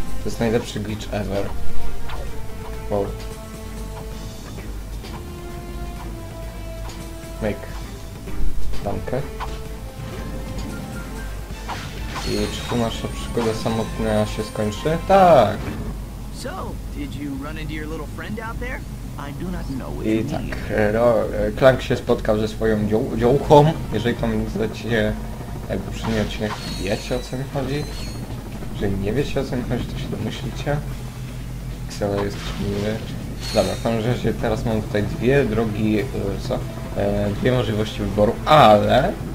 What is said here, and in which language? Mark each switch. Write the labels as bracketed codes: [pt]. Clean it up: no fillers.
[pl] To jest najlepszy [en] glitch ever. [pl] Wow. Make. Dankę. I czy tu nasza przygoda samotna się skończy? Tak! [en] So, did you run into your little friend out there? I do not know [pl] it. I tak, Clank się spotkał ze swoją dziołką, jeżeli pamiętacie, jakby przynajmniej odcinek, wiecie o co mi chodzi. Jeżeli nie wiecie o co mi chodzi, to się domyślicie. Pixel jest miły. Dobra, w tym razie teraz mam tutaj dwie drogi, dwie możliwości wyboru, ale...